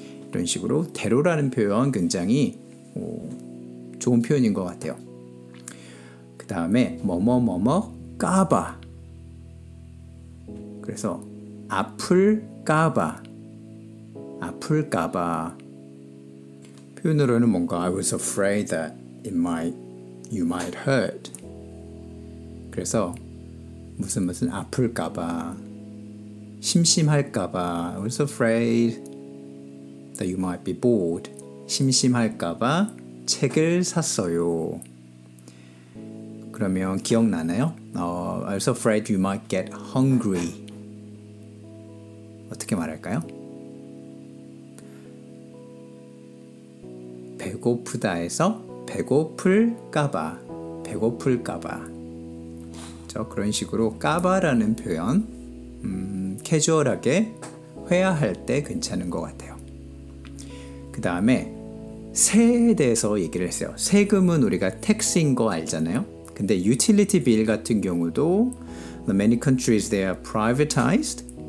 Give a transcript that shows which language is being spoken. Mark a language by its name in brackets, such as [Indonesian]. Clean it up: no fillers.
[Korean] 이런 식으로 대로라는 표현 굉장히 좋은 표현인 것 같아요. 그 다음에 뭐뭐뭐뭐 까봐. 그래서 아플까봐, 아플까봐. 표현으로는 뭔가 [English] I was afraid that it might, you might hurt. [Korean] 그래서 무슨 무슨 아플까봐. 심심할까봐. [English] I was afraid that you might be bored. [Korean] 심심할까봐 책을 샀어요. 그러면 기억나나요? [English] I was afraid you might get hungry. [Korean] 어떻게 말할까요? 배고프다에서 배고플까봐. 배고플까봐. 저 그런 식으로 까봐라는 표현. 캐주얼하게 회화할 때 괜찮은 것 같아요. 그 다음에 세에 대해서 얘기를 했어요. 세금은 우리가 tax인 거 알잖아요. 근데 [English] utility bill [Korean] 같은 경우도 [English] many countries they are privatized.